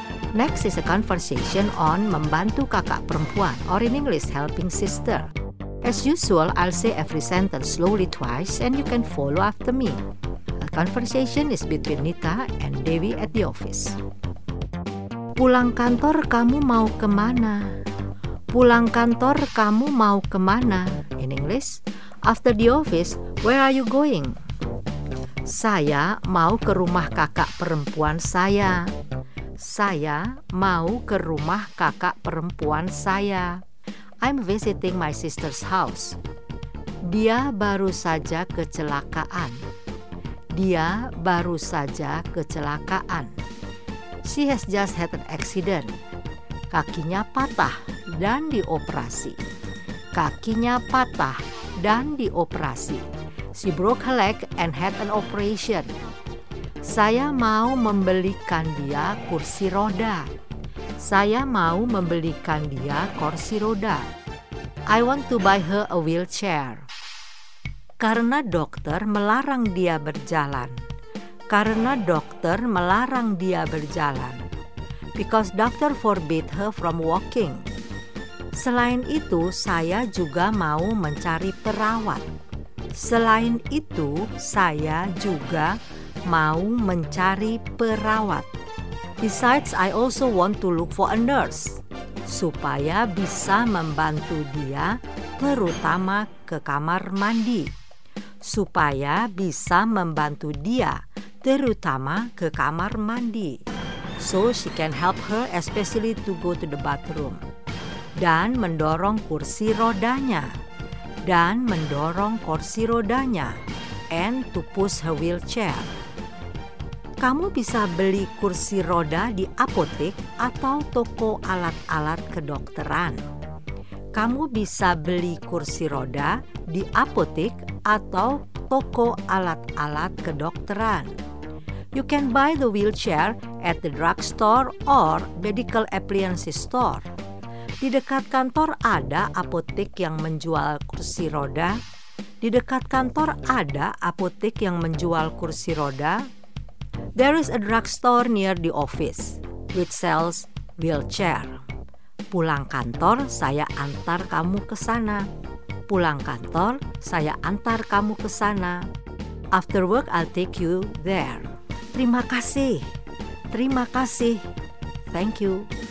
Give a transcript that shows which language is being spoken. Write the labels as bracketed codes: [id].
[en] Next is a conversation on [id] membantu kakak perempuan, [en] or in English, helping sister. As usual, I'll say every sentence slowly twice and you can follow after me. A conversation is between Nita and Dewi at the office. [id] Pulang kantor kamu mau kemana? Pulang kantor kamu mau kemana? [en] In English, after the office, where are you going? [id] Saya mau ke rumah kakak perempuan saya. Saya mau ke rumah kakak perempuan saya. [en] I'm visiting my sister's house. [id] Dia baru saja kecelakaan. Dia baru saja kecelakaan. [en] She has just had an accident. [id] Kakinya patah dan dioperasi. Kakinya patah dan dioperasi. [en] She broke her leg and had an operation. [id] Saya mau membelikan dia kursi roda. Saya mau membelikan dia kursi roda. [en] I want to buy her a wheelchair. [id] Karena dokter melarang dia berjalan. Karena dokter melarang dia berjalan. [en] Because doctor forbid her from walking. [id] Selain itu, saya juga mau mencari perawat. Selain itu, saya juga mau mencari perawat. [en] Besides, I also want to look for a nurse [id] supaya bisa membantu dia, terutama ke kamar mandi. Supaya bisa membantu dia, terutama ke kamar mandi. [en] So she can help her especially to go to the bathroom. [id] Dan mendorong kursi rodanya. Dan mendorong kursi rodanya. [en] And to push her wheelchair. [id] Kamu bisa beli kursi roda di apotek atau toko alat-alat kedokteran. Kamu bisa beli kursi roda di apotek atau toko alat-alat kedokteran. [en] You can buy the wheelchair at the drugstore or medical appliances store. [id] Di dekat kantor ada apotek yang menjual kursi roda. Di dekat kantor ada apotek yang menjual kursi roda. [en] There is a drugstore near the office which sells wheelchair. [id] Pulang kantor, saya antar kamu ke sana. Pulang kantor, saya antar kamu ke sana. [en] After work, I'll take you there. [id] Terima kasih. Terima kasih. [en] Thank you.